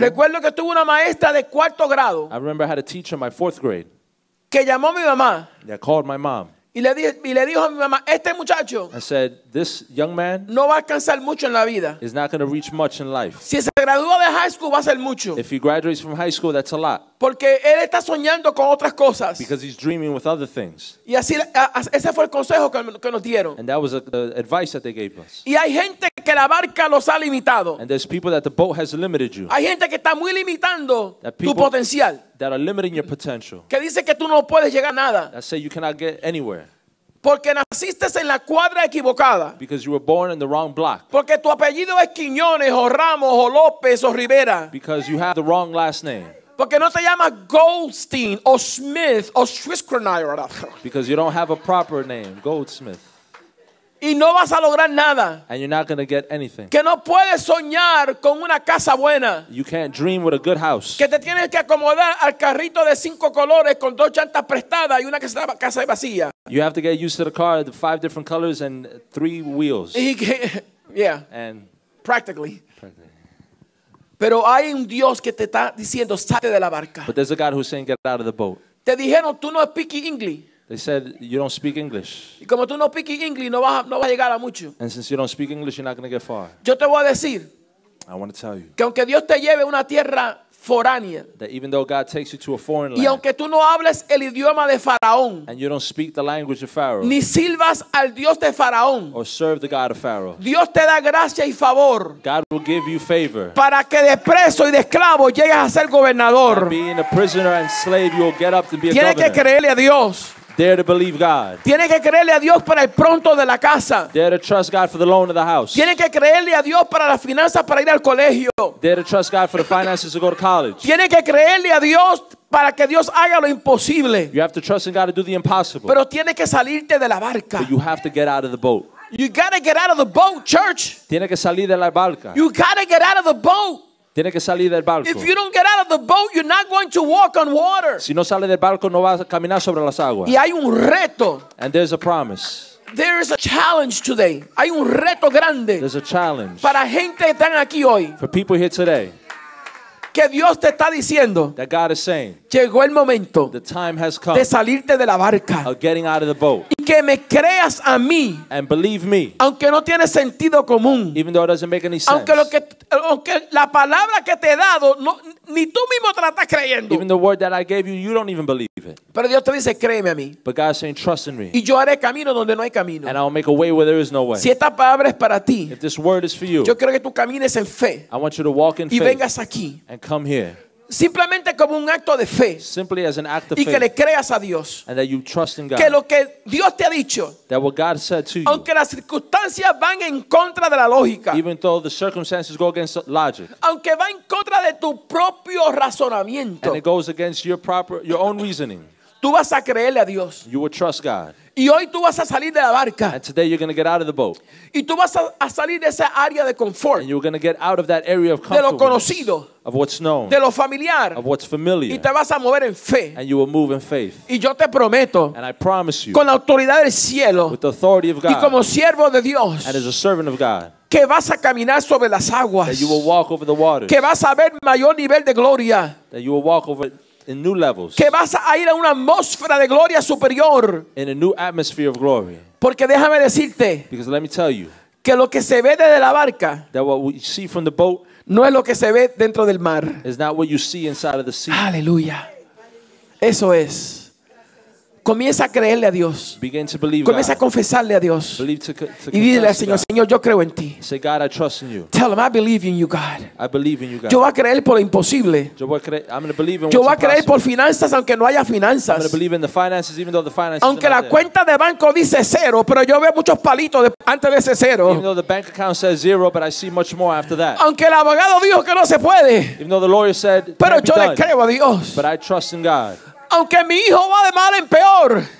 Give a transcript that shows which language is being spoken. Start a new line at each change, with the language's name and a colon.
Spanish: Recuerdo que tuve una maestra de cuarto grado.
English: I remember I had a teacher in my fourth grade.
Spanish: Que llamó a mi mamá.
English: They called my mom.
Spanish: Y le dijo a mi mamá, este muchacho,
English: I said, this young man,
Spanish: no va a alcanzar mucho en la vida.
English: Is not going to reach much in life.
Spanish: Si se gradúa de high school, va a ser mucho.
English: If he graduates from high school, that's a lot.
Spanish: Porque él está soñando con otras cosas.
English: Because he's dreaming with other things.
Spanish: Y así, ese fue el consejo que nos dieron.
English: And that was the advice that they gave us.
Spanish: Y hay gente que la barca los ha limitado.
English: And there's people that the boat has limited you.
Spanish: Hay gente que está muy limitando tu potencial.
English: That are limiting your potential.
Spanish: Que dice que tú no puedes llegar a nada.
English: That say you cannot get anywhere.
Spanish: Porque naciste en la cuadra equivocada.
English: Because you were born in the wrong block.
Spanish: Porque tu apellido es Quiñones o Ramos o López o Rivera.
English: Because you have the wrong last name.
Spanish: Porque no te llamas Goldstein o Smith o Schwitzkronier.
English: Because you don't have a proper name, Goldsmith.
Spanish: Y no vas a lograr nada.
English: And you're not going to get anything.
Spanish: Que no puedes soñar con una casa buena.
English: You can't dream with a good house.
Spanish: Que te tienes que acomodar al carrito de cinco colores con dos llantas prestadas y una casa vacía.
English: You have to get used to the car, the five different colors and three wheels. Yeah. And practically.
Spanish: Pero hay un Dios que te está diciendo, sale de la barca.
English: But there's a God who's saying, get out of the boat.
Spanish: Te dijeron, tú no
English: speak English. They said, you don't speak English.
Spanish: Y como tú no
English: speak English,
Spanish: no vas a llegar a mucho.
English: And since you don't speak English, you're not going to get far.
Spanish: Yo te voy a decir.
English: I want to tell you.
Spanish: Que aunque Dios te lleve a una tierra foránea,
English: that even though God takes you to a foreign
Spanish: y
English: land,
Spanish: aunque tú no hables el idioma de Faraón,
English: and you don't speak the language of Pharaoh,
Spanish: ni sirvas al Dios de Faraón,
English: or serve the God of Pharaoh,
Spanish: Dios te da gracia y favor,
English: God will give you favor,
Spanish: para que de preso y de esclavo llegues a ser gobernador.
English: Being a prisoner and slave, you'll get up to be a
Spanish: Tienes
English: governor.
Spanish: Que creerle a Dios.
English: Dare to believe God.
Spanish: Tiene que creerle a Dios para el pronto de la casa.
English: Dare to trust God for the loan of the house.
Spanish: Tiene que creerle a Dios para las finanzas para ir al colegio.
English: Dare to trust God for the finances to go to college.
Spanish: Tiene que creerle a Dios para que Dios haga lo imposible.
English: You have to trust in God to do the impossible.
Spanish: Pero tiene que salirte de la barca.
English: But you have to get out of the boat. You gotta get out of the boat, church.
Spanish: Tiene que salir de la barca.
English: You gotta get out of the boat.
Spanish: Tiene que salir del barco.
English: If you don't get out of the boat, you're not going to walk on water.
Spanish: Si no sale del barco, no va a caminar sobre las aguas. Y hay un reto.
English: And there's a promise. There is a challenge today.
Spanish: Hay un reto grande.
English: There's a challenge.
Spanish: Para gente que están aquí hoy.
English: For people here today.
Spanish: Que Dios te está diciendo.
English: That God is saying.
Spanish: Llegó el momento.
English: The time has come.
Spanish: De salirte de la barca.
English: Of getting out of the boat.
Spanish: Y que me creas a mí.
English: And believe me.
Spanish: Aunque no tiene sentido común.
English: Even though it doesn't make any sense.
Spanish: Aunque la palabra que te he dado, no, ni tú mismo te la estás creyendo.
English: Even the word that I gave you, you don't even believe it.
Spanish: Pero Dios te dice, créeme a mí.
English: But God is saying, trust in me.
Spanish: Y yo haré camino donde no hay camino.
English: And I will make a way where there is no way.
Spanish: Si esta palabra es para ti.
English: If this word is for you.
Spanish: Yo quiero que tú camines en fe.
English: I want you to walk in
Spanish: y
English: faith.
Spanish: Y vengas aquí.
English: And come here.
Spanish: Simplemente como un acto de fe.
English: Simply as an act of
Spanish: faith. Y que le creas a Dios.
English: And that you trust in God.
Spanish: Que lo que Dios te ha dicho.
English: That what God said to you.
Spanish: Aunque las circunstancias van en contra de la lógica.
English: Even though the circumstances go against logic.
Spanish: Aunque va en contra de tu propio razonamiento.
English: And it goes against your own reasoning.
Spanish: Tú vas a creerle a Dios.
English: You will trust God.
Spanish: Y hoy tú vas a salir de la barca.
English: And today you're going to get out of the boat.
Spanish: Y tú vas a salir de esa área de confort.
English: And you're going to get out of that area of comfort.
Spanish: De lo conocido.
English: Of what's known.
Spanish: De lo familiar.
English: Of what's familiar.
Spanish: Y te vas a mover en fe.
English: And you will move in faith.
Spanish: Y yo te prometo.
English: And I promise you.
Spanish: Con la autoridad del cielo.
English: With the authority of God.
Spanish: Y como siervo de Dios.
English: And as a servant of God.
Spanish: Que vas a caminar sobre las aguas.
English: That you will walk over the waters.
Spanish: Que vas a ver mayor nivel de gloria.
English: That you will walk over in new levels.
Spanish: Que vas a ir a una atmósfera de gloria superior.
English: In a new atmosphere of glory.
Spanish: Porque déjame decirte.
English: Because let me tell you.
Spanish: Que lo que se ve desde la barca.
English: That what we see from the boat.
Spanish: No es lo que se ve dentro del mar.
English: Is not what you see inside of the sea.
Spanish: Aleluya. Eso es. Comienza a creerle a Dios.
English: Begin to believe.
Spanish: Comienza
English: God.
Spanish: A confesarle a Dios.
English: Believe to
Spanish: y dile al Señor,
English: God.
Spanish: Señor, yo creo en ti.
English: Say, God, I trust in you. Tell him, I believe in you, God. I believe in you, God.
Spanish: Yo voy a creer por lo imposible.
English: I'm going to believe in
Spanish: yo voy a creer por finanzas aunque no haya finanzas.
English: I'm going to believe in the finances even though the finances
Spanish: aunque la cuenta
English: there.
Spanish: De banco dice cero, pero yo veo muchos palitos antes de ese cero.
English: Even though the bank account says zero, but I see much more after that.
Spanish: Aunque el abogado dijo que no se puede.
English: Even though the lawyer said,
Spanish: pero yo
English: done.
Spanish: Le creo a Dios.
English: But I trust in God.
Spanish: Aunque mi hijo va de mal en peor.